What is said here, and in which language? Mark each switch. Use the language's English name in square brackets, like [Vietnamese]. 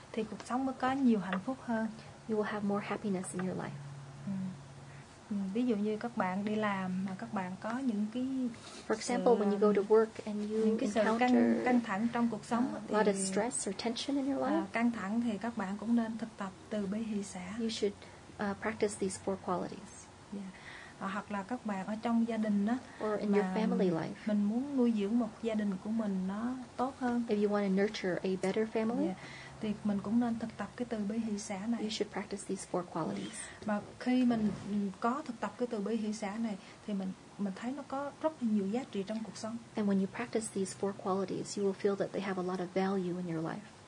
[Vietnamese] thì cuộc sống mới có nhiều hạnh phúc hơn. [English] You will have more happiness in your life. [Vietnamese] Ví dụ như các bạn đi làm mà các bạn có những cái [English] for example, when you go to work and you encounter [Vietnamese] căng thẳng trong cuộc sống, [English] a lot of stress or tension in your life. [Vietnamese] Căng thẳng thì các bạn cũng nên thực tập từ bi hỷ xả. [English] You should practice these 4 qualities. [Vietnamese] Hoặc là các bạn ở trong gia đình đó, [English] or in your family life, [Vietnamese] mình muốn nuôi dưỡng một gia đình của mình nó tốt hơn, [English] If you want to nurture a better family, yeah. [Vietnamese] thì mình cũng nên thực tập cái từ bi hỷ xả này. [English] You should practice these four qualities. [Vietnamese] Mà khi mình có thực tập cái từ bi hỷ xả này thì mình thấy nó có rất là nhiều giá trị trong cuộc sống. [English] And when you practice these four qualities, you will feel that they have a lot of value in your life.